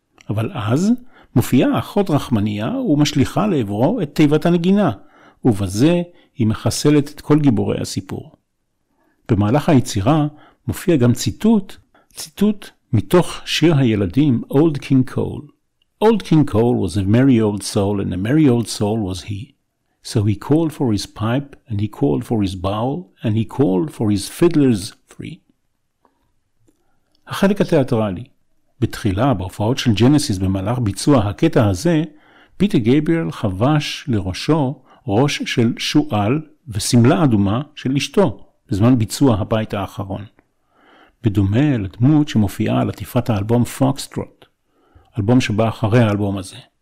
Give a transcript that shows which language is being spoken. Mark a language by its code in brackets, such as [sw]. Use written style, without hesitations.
[he] אבל אז מופיעה אחות רחמנייה ומשליחה לעברו את תיבת הנגינה, ובזה היא מחסלת את כל גיבורי הסיפור. במהלך היצירה מופיע גם ציטוט מתוך שיר הילדים Old King Cole. [en] Old King Cole was a merry old soul and a merry old soul was he. So he called for his pipe and he called for his bowl and he called for his fiddlers three. [he] החלק התיאטרלי. בתחילה בהופעות של ג'נסיס במהלך ביצוע הקטע הזה, פיטר גבריאל חבש לראשו ראש של שואל וסמלה אדומה של אשתו. בזמן ביצוע הבית האחרון. בדומה לדמות שמופיעה על עטיפת האלבום פוקסטרוט, אלבום שבא אחרי האלבום הזה.